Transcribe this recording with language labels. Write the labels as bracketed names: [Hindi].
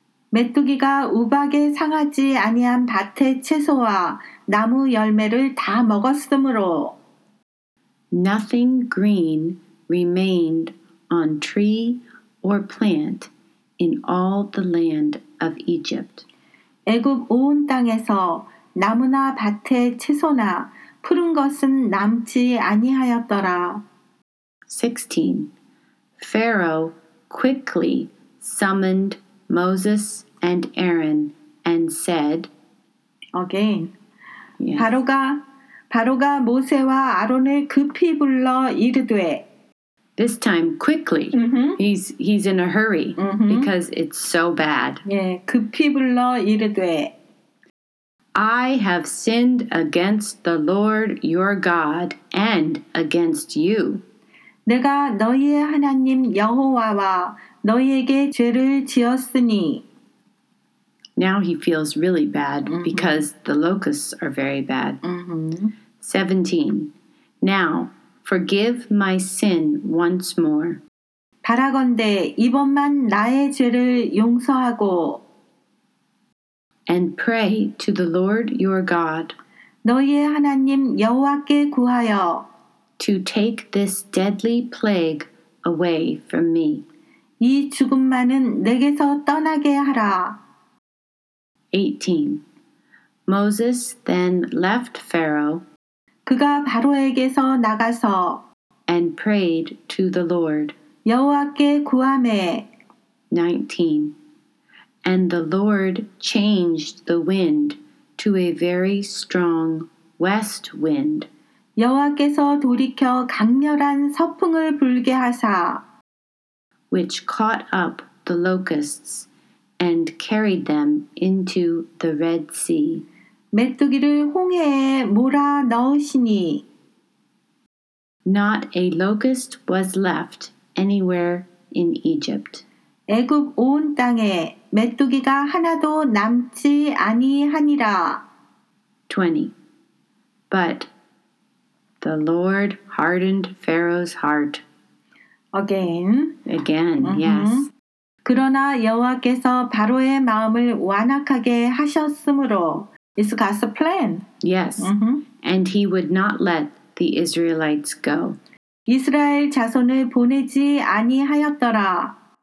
[Korean] 메뚜기가 우박에 상하지 아니한 밭의 채소와 나무 열매를 다 먹었으므로. [English] Nothing green remained on tree or plant in all the land of Egypt. [Korean] 애굽 온 땅에서 나무나 밭의 채소나 푸른 것은 남지 아니하였더라. [English] 16. Pharaoh quickly summoned Moses and Aaron and said, Again. Yes. [Korean] 바로가 모세와 아론을 급히 불러 이르되. [English] This time quickly. Mm-hmm. He's in a hurry mm-hmm. because it's so bad. [Korean] 예, 급히 불러 이르되. [English] I have sinned against the Lord your God and against you. [Korean] 내가 너희의 하나님 여호와와 너희에게 죄를 지었으니. [English] Now he feels really bad mm-hmm. because the locusts are very bad. Mm-hmm. 17. Now forgive my sin once more. [Korean] 바라건대 이번만 나의 죄를 용서하고. [English] And pray to the Lord your God [Korean] 너희의 하나님 여호와께 구하여 [English] to take this deadly plague away from me. [Korean] 이 죽음만은 내게서 떠나게 하라. [English] 18. Moses then left Pharaoh [Korean] 그가 바로에게서 나가서 [English] and prayed to the Lord [Korean] 여호와께 구하매. [English] 19. And the Lord changed the wind to a very strong west wind. [Korean] 여호와께서 돌이켜 강렬한 서풍을 불게 하사 [English] which caught up the locusts and carried them into the Red Sea. [Korean] 메뚜기를 홍해에 몰아넣으시니 [English] Not a locust was left anywhere in Egypt. [Korean] 애굽 온 땅에 메뚜기가 하나도 남지 아니하니라 [English] 20. But the Lord hardened Pharaoh's heart. Again, uh-huh. yes. [Korean] 그러나 여호와께서 바로의 마음을 완악하게 하셨으므로 [English] It's God's plan. Yes, uh-huh. and he would not let the Israelites go. [Korean] 이스라엘 자손을 보내지 아니하였더라.